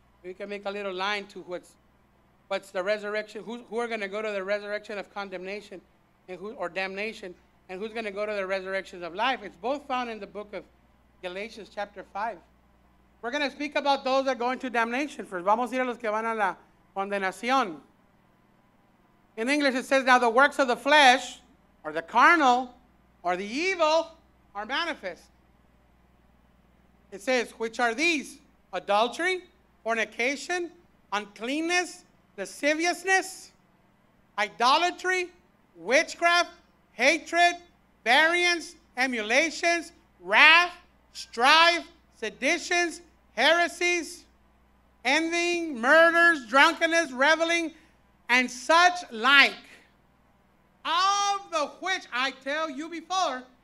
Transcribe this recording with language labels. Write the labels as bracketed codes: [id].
[en] You can make a little line to what's the resurrection, who are going to go to the resurrection of condemnation and who or damnation, and who's going to go to the resurrection of life. It's both found in the book of Galatians chapter 5. We're going to speak about those that are going to damnation first. [es] Vamos a ir a los que van a la condenación. [en] In English it says, now the works of the flesh, or the carnal, or the evil, are manifest. It says, which are these? Adultery, fornication, uncleanness, lasciviousness, idolatry, witchcraft, hatred, variance, emulations, wrath, strife, seditions, heresies, envying, murders, drunkenness, reveling, and such like, of the which I tell you before.